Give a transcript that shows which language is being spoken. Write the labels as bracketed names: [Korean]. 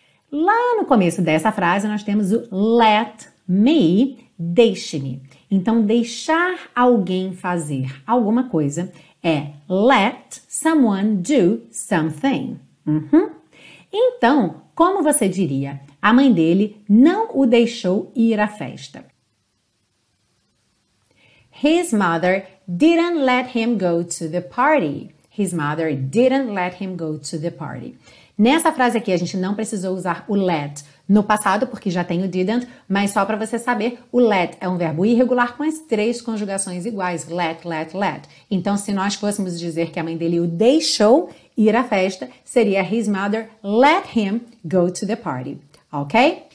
[Portuguese] Lá no começo dessa frase, nós temos o [English] let me, [Portuguese] deixe-me. Então, deixar alguém fazer alguma coisa é [English] let someone do something. [Portuguese] Uhum. Então, como você diria? A mãe dele não o deixou ir à festa. [English] His mother didn't let him go to the party. His mother didn't let him go to the party. [Portuguese] Nessa frase aqui, a gente não precisou usar o let no passado, porque já tem o didn't, mas só para você saber, o let é um verbo irregular com as três conjugações iguais, let, let, let. Então, se nós fôssemos dizer que a mãe dele o deixou ir à festa, seria [English] his mother let him go to the party. [Portuguese] Ok?